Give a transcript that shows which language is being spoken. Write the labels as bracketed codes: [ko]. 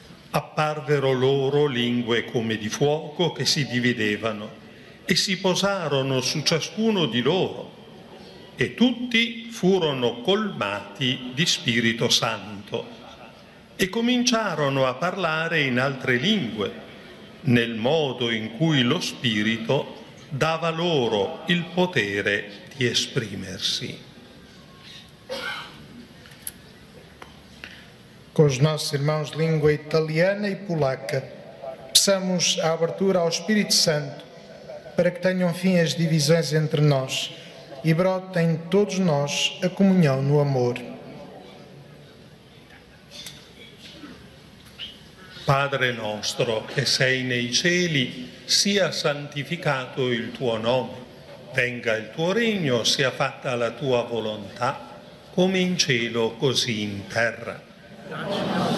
[it] Apparvero loro lingue come di fuoco che si dividevano e si posarono su ciascuno di loro, e tutti furono colmati di Spirito Santo e cominciarono a parlare in altre lingue, nel modo in cui lo Spirito dava loro il potere di esprimersi. [pt] Com os nossos irmãos de língua italiana e polaca, peçamos a abertura ao Espírito Santo para que tenham fim as divisões entre nós e brote em todos nós a comunhão no amor. [it] Padre nostro, que sei nei cieli, sia santificato il tuo nome, venga il tuo regno, sia fatta la tua volontà, come in cielo, così in terra.